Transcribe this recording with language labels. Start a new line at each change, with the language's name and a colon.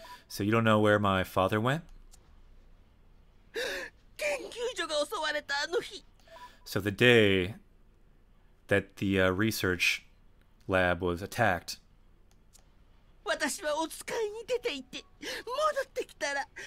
English: So you don't know where my father went?
Japanese: 研究所が襲われたあの日。
English: So the day that the research lab was attacked.
Japanese: 私はお使いに出て行って、戻ってきたら。